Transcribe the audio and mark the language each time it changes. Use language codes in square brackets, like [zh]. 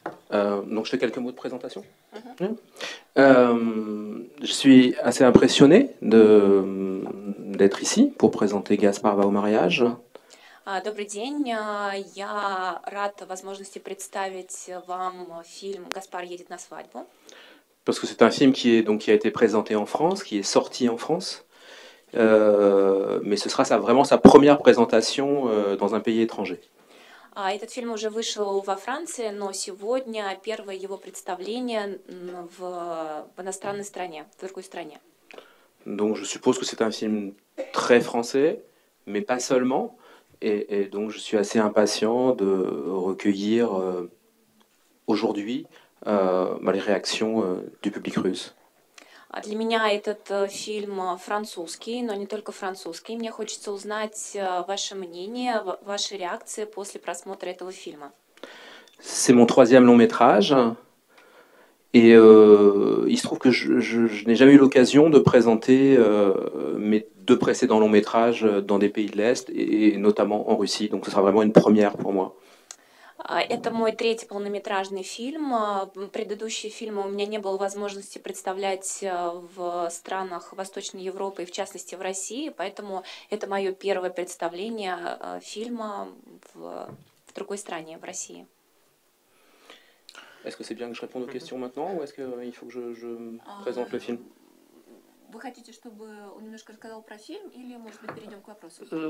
[fr] Donc je fais quelques mots de présentation. Je suis assez impressionné d'être ici pour présenter Gaspar va au mariage. [ru] Добрый день. Я рад возможности представить вам фильм Gaspar едет на свадьбу. [fr] Parce que c'est un film qui a été présenté en France, qui est sorti en France. Mais ce sera vraiment sa première présentation dans un pays étranger. [ru] Этот фильм уже вышел во Франции, но сегодня первое его представление в иностранной стране, в другой стране. [fr] Donc je suppose que c'est un film très français, mais pas seulement. Et donc je suis assez impatient de recueillir aujourd'hui les réactions du public russe. [ru] Для меня этот фильм французский, но не только французский. Мне хочется узнать ваше мнение, ваши реакции после просмотра этого фильма. [fr] C'est mon troisième long métrage, et il se trouve que je n'ai jamais eu l'occasion de présenter mes deux précédents longs métrages dans des pays de l'Est et notamment en Russie. Donc, ce sera vraiment une première pour moi. [ru] Это мой третий полнометражный фильм. Предыдущие фильмы у меня не было возможности представлять в странах Восточной Европы, и в частности в России, поэтому это мое первое представление фильма в другой стране, в России. [fr] Est-ce que c'est bien que je réponde aux questions maintenant, ou est-ce qu'il faut que je présente le film? [ru] Вы хотите, чтобы он немножко рассказал про фильм, или, может быть, перейдем к вопросу?